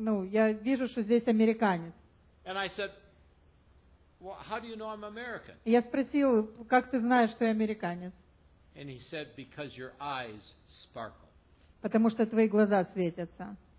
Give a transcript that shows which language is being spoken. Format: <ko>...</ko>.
<ru>Я вижу, что здесь американец.</ru> <en>And I said, "Well, how do you know I'm American?"</en> <ru>Я спросил, как ты знаешь, что я американец?</ru> <en>And he said, "Because your eyes sparkle."</en> <ru>Потому что твои глаза светятся.</ru>